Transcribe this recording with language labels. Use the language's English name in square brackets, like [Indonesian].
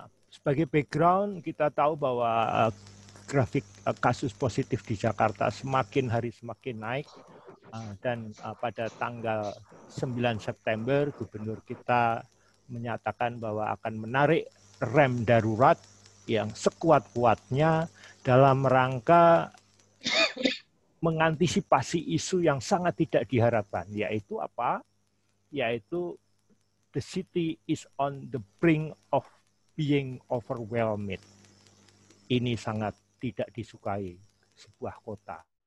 [Indonesian] Sebagai background, kita tahu bahwa grafik kasus positif di Jakarta semakin hari semakin naik, dan pada tanggal 9 September gubernur kita menyatakan bahwa akan menarik rem darurat yang sekuat-kuatnya dalam rangka mengantisipasi isu yang sangat tidak diharapkan, yaitu apa? Yaitu [English] the city is on the brink of being overwhelmed. [Indonesian] Ini sangat tidak disukai sebuah kota.